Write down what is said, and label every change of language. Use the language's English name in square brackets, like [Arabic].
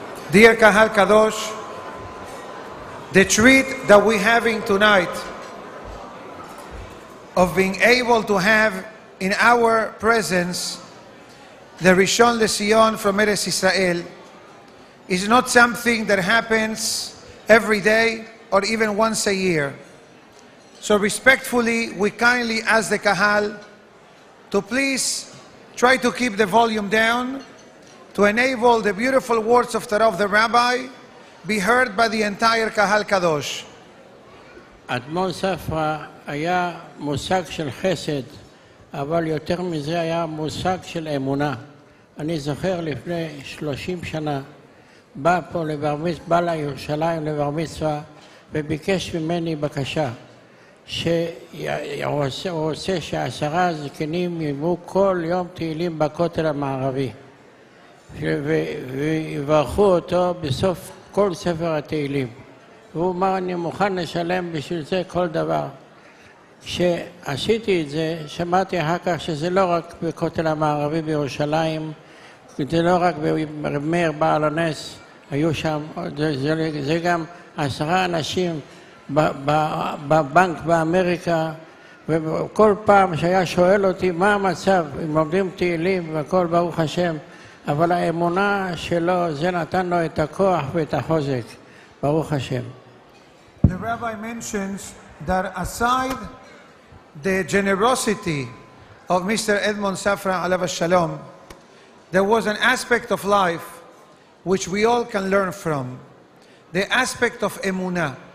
[English] Dear Kahal Kadosh, the treat that we're having tonight of being able to have in our presence the Rishon LeZion from Eretz Israel is not something that happens every day or even once a year. So respectfully, we kindly ask the Kahal to please try to keep the volume down to enable the beautiful words of Torah of the Rabbi be heard by the entire Kahal Kadosh. [Hebrew] אדמון ספרא היה מושג של חסד, אבל יותר מזה היה מושג של אמונה. אני זוכר לפני 30 שנה, בא לירושלים לבר מצווה וביקש ממני בקשה, שהוא רוצה שעשרה זקנים יימו כל יום תהילים בכותל המערבי, ויברכו אותו בסוף כל ספר התהילים. והוא אמר, אני מוכן לשלם בשביל זה כל דבר. כשעשיתי את זה, שמעתי אחר כך שזה לא רק בכותל המערבי בירושלים, זה לא רק במאיר בעל הנס, היו שם, זה גם עשרה אנשים בבנק באמריקה, וכל פעם שהיה שואל אותי מה המצב, אם עומדים תהילים והכל ברוך השם, אבל האמונה שלו, זה נתן לו את הכוח ואת החוזק, ברוך השם. [English] The rabbi mentions that aside the generosity of Mr. Edmond Safra alav shalom, there was an aspect of life which we all can learn from, the aspect of emunah.